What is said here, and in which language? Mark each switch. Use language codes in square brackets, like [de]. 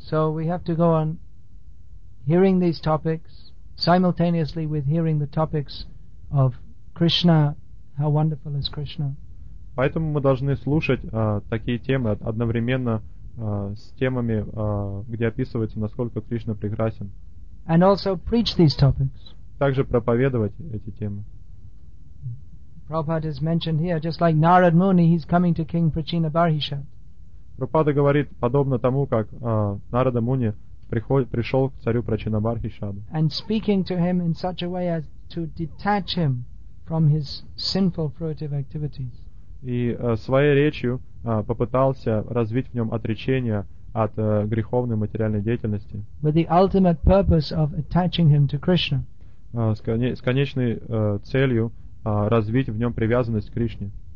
[en] So we have to go on hearing these topics simultaneously with hearing the topics of Krishna, how wonderful is Krishna. [ru] Поэтому мы должны слушать такие темы одновременно с темами, где описывается, насколько Кришна прекрасен. [en] And also preach these topics. [ru] Также проповедовать эти темы. [en] Prabhupada is mentioned here, just like Narad Muni, he's coming to King Prachina Barhishat. [ru] Prabhupada говорит подобно тому, как Нарада Муни пришел к царю Прачина Бархишаду. [en] And speaking to him in such a way as to detach him from his sinful fruitive activities. [ru] И своей речью попытался развить в нем отречение от греховной материальной деятельности. [en] With the ultimate purpose of attaching him to Krishna. [ru] С конечной целью развить в нем привязанность к Кришне.